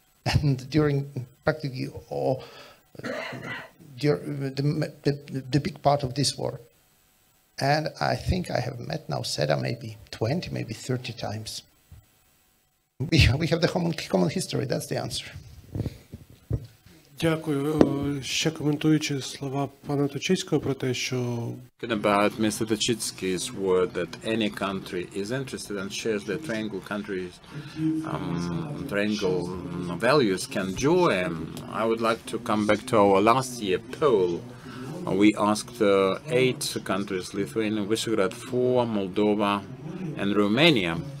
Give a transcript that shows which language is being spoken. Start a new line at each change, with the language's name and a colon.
English: And during practically all the big part of this war. And I think I have met Nauseda maybe 20, maybe 30 times. We have the common history, that's the answer.
Ukrainian: Дякую. Ще коментуючи слова пана Тучицького про те, що...
English: Talking about Mr. Tochytskyi's word that any country is interested and shares the triangle countries, triangle values can join, I would like to come back to our last year poll. We asked 8 countries, Lithuania, Visegrad 4, Moldova and Romania.